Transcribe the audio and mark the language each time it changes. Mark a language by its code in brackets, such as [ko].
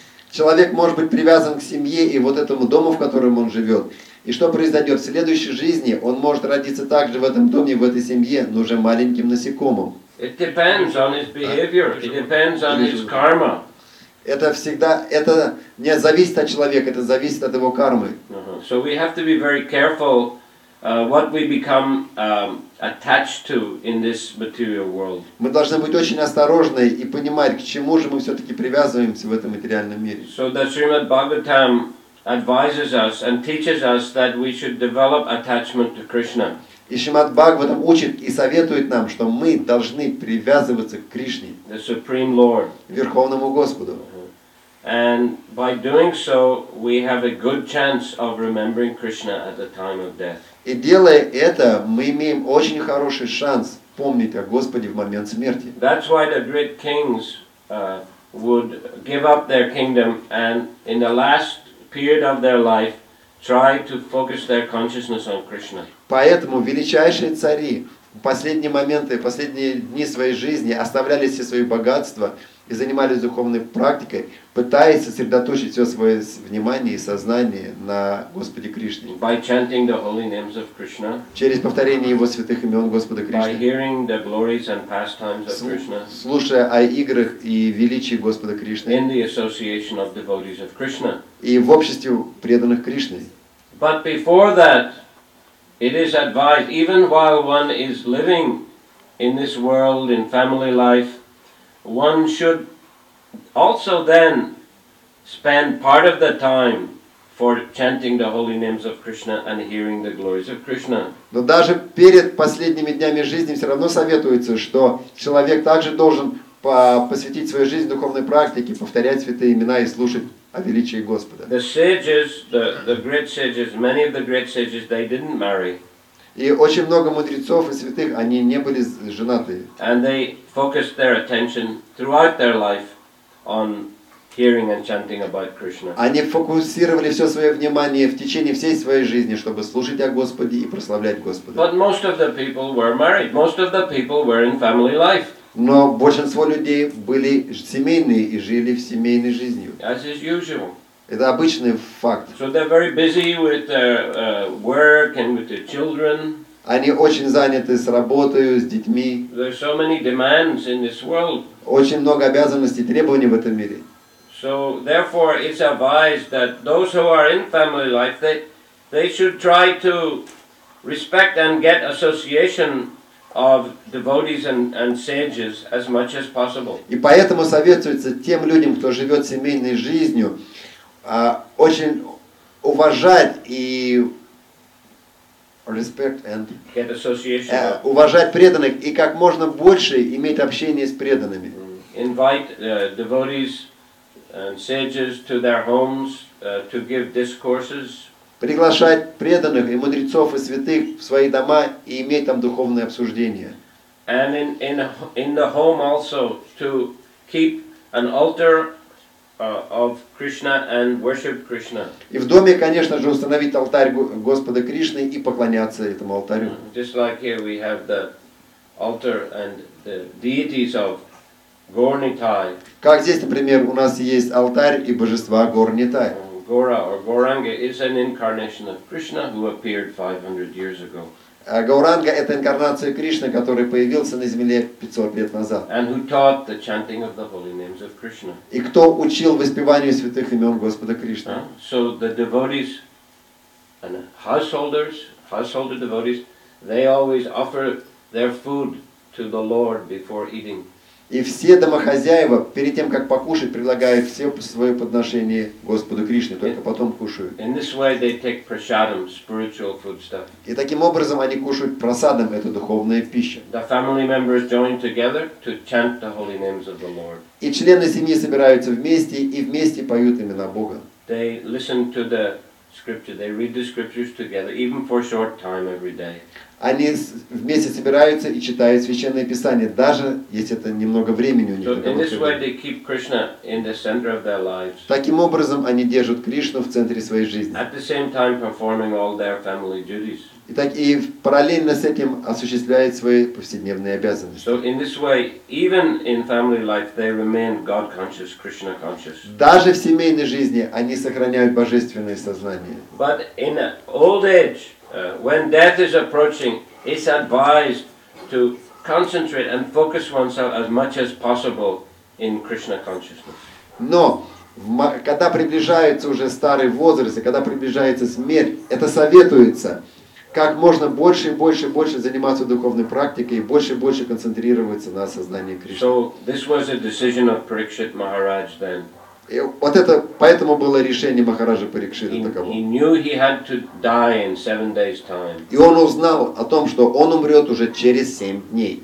[ru] Человек может быть привязан к семье и вот этому дому, в котором он живет. И что произойдет в следующей жизни? Он может родиться также в этом доме, в этой семье, но уже маленьким насекомым. [en] It depends on his behavior. It depends on his karma. [ru] Это всегда, это не зависит от человека, это зависит от его кармы. [en] So we have to be very careful what we become attached to in this material world. [ru] Мы должны быть очень осторожны и понимать, к чему же мы все-таки привязываемся в этом материальном мире. [en] So the Srimad Bhagavatam advises us and teaches us that we should develop attachment to Krishna. [ru] И Шримад Бхагаватам учит и советует нам, что мы должны привязываться к Кришне, [en] the Supreme Lord. [ru] Верховному Господу. [en] And by doing so, we have a good chance of remembering Krishna at the time of death. [ru] И делая это, мы имеем очень хороший шанс помнить о Господе в момент смерти. [en] That's why the great kings would give up their kingdom and in the last period of their life try to focus their consciousness on Krishna. [ru] Поэтому величайшие цари в последние моменты, последние дни своей жизни оставляли все свои богатства и занимались духовной практикой, пытаясь сосредоточить все свое внимание и сознание на Господе Кришне. [en] By chanting the holy names of Krishna, [ru] через повторение Его святых имен Господа Кришны, [en] by hearing the glories and pastimes of Krishna, [ru] слушая о играх и величии Господа Кришны, [en] in the association of devotees of Krishna, [ru] и в обществе преданных Кришне. [en] But before that, it is advised, even while one is living in this world, in family life, one should also then spend part of the time for chanting the holy names of Krishna and hearing the glories of Krishna. [ru] Но даже перед последними днями жизни все равно советуется, что человек также должен посвятить свою жизнь духовной практике, повторять святые имена и слушать о величии Господа. [en] The sages, the great sages, many of the great sages, they didn't marry. [ru] И очень много мудрецов и святых, они не были женаты. [en] And they focused their attention throughout their life on hearing and chanting about Krishna. [ru] Они фокусировали все свое внимание в течение всей своей жизни, чтобы служить о Господе и прославлять Господа. [en] But most of the people were married. Most of the people were in family life. [ru] Но большинство людей были семейные и жили в семейной жизнью. [en] As is usual. [ru] Это обычный факт. [en] So they're very busy with their work and with their children. [ru] Они очень заняты с работой, с детьми. [en] There are so many demands in this world. [ru] Очень много обязанностей, требований в этом мире. [en] So therefore, it's advised that those who are in family life, they should try to respect and get association of devotees and sages as much as possible. [ru] И поэтому советуется тем людям, кто живет семейной жизнью, очень уважать и [en] respect and get association. [ru] Уважать преданных и как можно больше иметь общение с преданными. [en] Invite devotees and sages to their homes to give discourses. [ru] Приглашать преданных и мудрецов и святых в свои дома и иметь там духовные обсуждения. [en] And in the home also to keep an altar of Krishna and worship Krishna. [ru] И в доме, конечно же, установить алтарь Господа Кришны и поклоняться этому алтарю. [en] Just like here we have the altar and the deities of Gornitai. [ru] Как здесь, например, у нас есть алтарь и божества Горнитай. [en] Gora or Goranga is an incarnation of Krishna who appeared 500 years ago. [ru] Гауранга — это инкарнация Кришны, который появился на земле 500 лет назад. [en] And who taught the chanting of the holy names of Krishna. [ru] И кто учил воспеванию святых имен Господа Кришны. [en] So the devotees and householder devotees, they always offer their food to the Lord before eating. [ru] И все домохозяева, перед тем, как покушать, предлагают все свое подношение Господу Кришне, только потом кушают. [en] In this way they take prasadam, spiritual foodstuff. [ru] И таким образом они кушают прасадам, это духовная пища. [en] The family members join together to chant the holy names of the Lord. [ru] И члены семьи собираются вместе и вместе поют имена Бога. [en] They listen to the scripture, they read the scriptures together, even for a short time every day. [ru] Они вместе собираются и читают Священное Писание, даже если это немного времени у них. Таким образом, они держат Кришну в центре своей жизни. [en] At the same time performing all their family duties. [ru] И так и параллельно с этим осуществляют свои повседневные обязанности. [en] So in this way, even in family life, they remain God-conscious, Krishna-conscious. [ru] Даже в семейной жизни они сохраняют божественное сознание. [en] But in old age, when death is approaching, it's advised to concentrate and focus oneself as much as possible in Krishna consciousness. [ru] Но когда приближается уже старый возраст, и когда приближается смерть, это советуется как можно больше и больше и больше заниматься духовной практикой и больше и больше концентрироваться на сознании Кришны. [en] So this was a decision of Parikshit Maharaj then. [ru] И вот это поэтому было решение Махараджа Парикшита таково. [en] He knew he had to die in 7 days time. [ru] И он узнал о том, что он умрет уже через 7 дней.